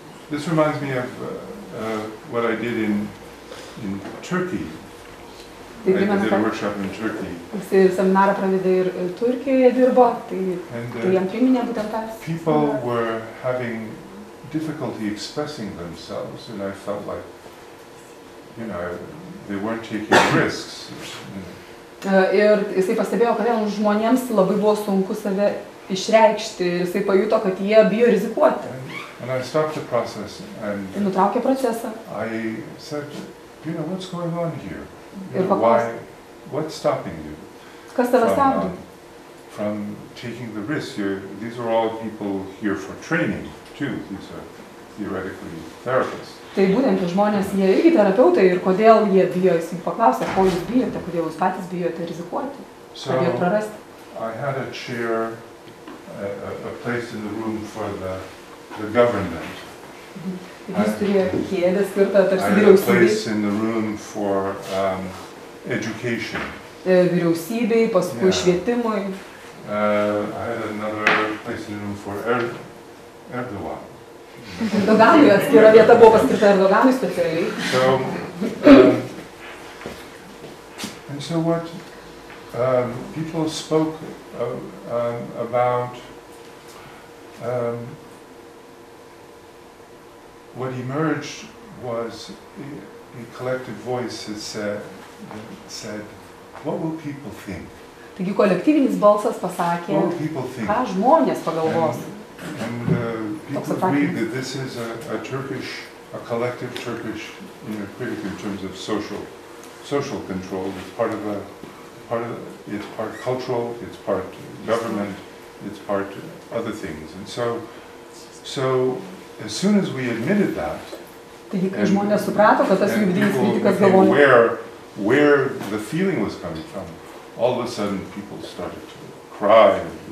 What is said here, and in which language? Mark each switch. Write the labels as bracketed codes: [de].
[en] This reminds me of what I did in Turkey. [lt] Tai [en] I did a workshop in Turkey. [lt] Jis ir seminarą pravedė ir Turkijoje dirbo, tai jam priminė būtent tas. [en] People were having difficulty expressing themselves, and I felt like, you know, they weren't taking risks. [lt] Ir jisai pastebėjo, kad žmonėms labai buvo sunku save išreikšti, ir jisai pajuto, kad jie bijo rizikuoti. [en] And I stopped the process and [lt] nutraukė procesą. [en] I said, you know, what's going on here? You know, why? What's stopping you? [lt] Kas tave stabdo? [en] From taking the risk. These are all people here for training. Too, these are theoretically therapists. [lt] Tai būtent žmonės, jie irgi terapeutai, ir kodėl jie bijo, jis jums paklausė, ko jūs bijote, kodėl jūs patys bijote rizikuoti, kad jie prarasti. [en] I had a chair, a place in the room for the government. [lt] Jis turėjo kėdę skirtą tarsi vyriausybei. [en] I had a place in the room for education. [lt] Vyriausybei, paskui švietimui. [en] I had another place in the room for Erdogan. [lt] Erdoganui atskira vieta buvo paskirta Erdoganui specialiai. [en] So, and so what people spoke about what emerged was a collective voice that said, what will people think? [lt] Taigi kolektyvinis balsas pasakė, ką žmonės pagalvos. [en] And people agreed that this is a collective Turkish inner critic in terms of social control. It's part cultural, it's part government, it's part other things. And so as soon as we admitted that, [lt] taigi, kai žmonės suprato, kad tas vidinis kritikas galvoja, [en] where the feeling was coming from, all of a sudden people started to cry.